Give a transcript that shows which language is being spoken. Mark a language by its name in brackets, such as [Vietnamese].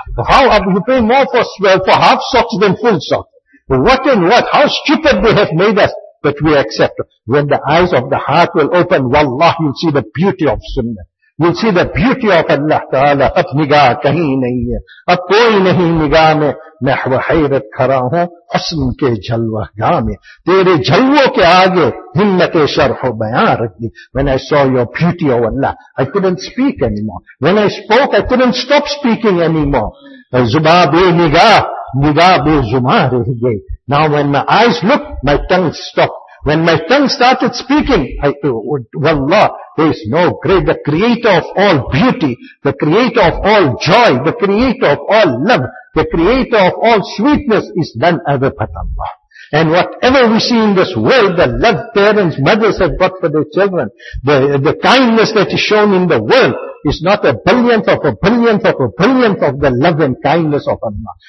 [English] How are you pay more for half socks than full socks? What and what? How stupid they have made us, but we accept. When the eyes of the heart will open, wallah, you'll see the beauty of Sunnah. You'll see the beauty of Allah Ta'ala. [Urdu] اب نگاہ کہیں نہیں ہے. اب کوئی نہیں نگاہ میں. میں حیرت کھرا ہوں حسن کے جلوہ گاہ میں. تیرے جلووں کے آگے ہمت شرح و بیان رکھی. [English] When I saw your beauty, oh Allah, I couldn't speak anymore. When I spoke, I couldn't stop speaking anymore. [Urdu] زباں بے نگاہ, نگاہ بے زباں رہ گئی. [English] Now when my eyes looked, my tongue stopped. When my tongue started speaking, wallah, there is no great, the creator of all beauty, the creator of all joy, the creator of all love, the creator of all sweetness is none other but Allah. And whatever we see in this world, the love parents, mothers have got for their children, the kindness that is shown in the world, is not a billionth of a billionth of a billionth of the love and kindness of Allah.